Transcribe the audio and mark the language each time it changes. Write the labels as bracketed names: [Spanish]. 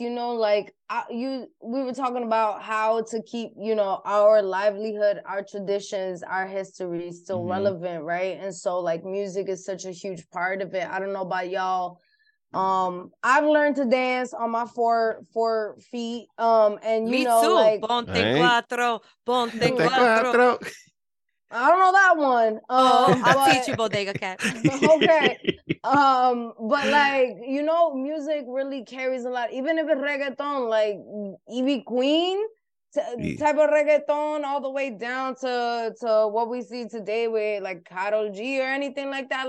[English] You know, like we were talking about how to keep, you know, our livelihood, our traditions, our history still relevant, right? And so, like, music is such a huge part of it. I don't know about y'all. I've learned to dance on my four feet. And you me know, too. Like, [Spanish] ponte cuatro, ponte cuatro. [English] I don't know that one. I'll teach you Bodega Cat. Okay. But like, you know, music really carries a lot. Even if it's reggaeton, like Evie Queen type of reggaeton, all the way down to what we see today with like Karol G or anything like that.